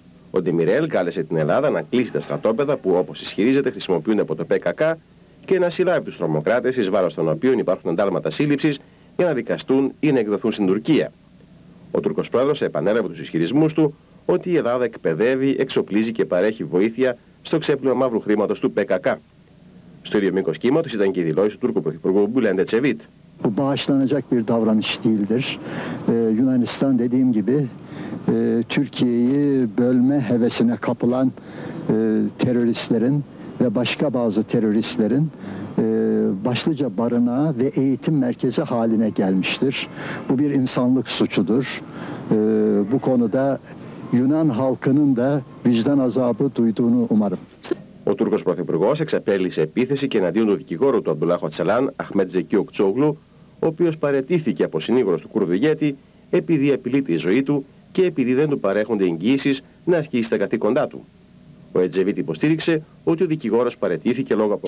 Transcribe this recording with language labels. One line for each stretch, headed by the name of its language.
Greek: Ο Ντεμίρελ κάλεσε την Ελλάδα να κλείσει τα στρατόπεδα που, όπως ισχυρίζεται, χρησιμοποιούνται από το ΠΚΚ και να συλλάβει τους τρομοκράτες εις βάρος των οποίων υπάρχουν εντάλματα σύλληψης για να δικαστούν ή να εκδοθούν στην Τουρκία. Ο Τούρκος πρόεδρος επανέλαβε τους ισχυρισμούς του, ότι η Ελλάδα εκπαιδεύει, εξοπλίζει και παρέχει βοήθεια στο ξέπλυμα μαύρου χρήματος του ΠΚΚ. Στο ίδιο μήκος κύματος ήταν και η δηλώση του Τούρκου Πρωθυπουργού Μπουλέντε Τσεβίτ.
Turkish: Bu bağışlanacak bir davranış değildir. Yunanistan dediğim gibi Türkiye'yi bölme hevesine kapılan teröristlerin ve başka bazı teröristlerin başlıca barınağı ve eğitim merkezi haline gelmiştir. Bu bir insanlık suçudur. Bu konuda Yunan halkının da vicdan azabı duyduğunu umarım.
Greek: Ο Τούρκος Πρωθυπουργός εξαπέλυσε επίθεση και εναντίον του δικηγόρου του Αμπντουλάχ Ωτσαλάν, Αχμέτ Ζεκί Οκτσόγλου, ο οποίος παραιτήθηκε από συνήγορο του Κούρδου ηγέτη επειδή απειλείται η ζωή του και επειδή δεν του παρέχονται εγγυήσεις να ασκήσει τα καθήκοντά του. Ο Ετζεβίτ υποστήριξε ότι ο δικηγόρος παραιτήθηκε λόγω από.